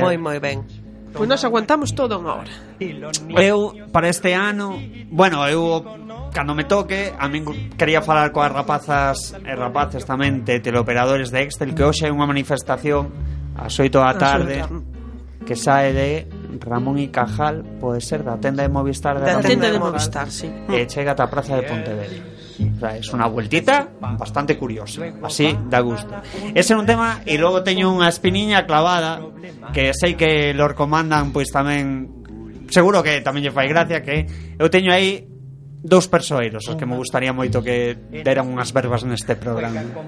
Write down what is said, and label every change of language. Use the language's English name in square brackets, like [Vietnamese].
[Galician] Estivo moi, moi ben. Pois nos aguantamos todo unha hora. Eu, para este ano, bueno, eu, cando me toque, a min quería falar coas rapazas e rapaces tamén de teleoperadores de Excel, que hoxe hai unha manifestación ás 8 da tarde. Que sae de Ramón y Cajal, [Spanish] puede ser, [Galician] da tenda de Movistar. Da tenda de Movistar, sí. E chega ta Praza de Pontevedra. [Spanish] O sea, es una vueltita bastante curiosa. Así da gusto. [Galician] Ese é un tema, e logo teño unha espiniña clavada, que sei que lor comandan, pois tamén, seguro que tamén lle fai gracia, que eu teño aí dous persoeiros, os que me gustaría moito que deran unhas verbas neste programa.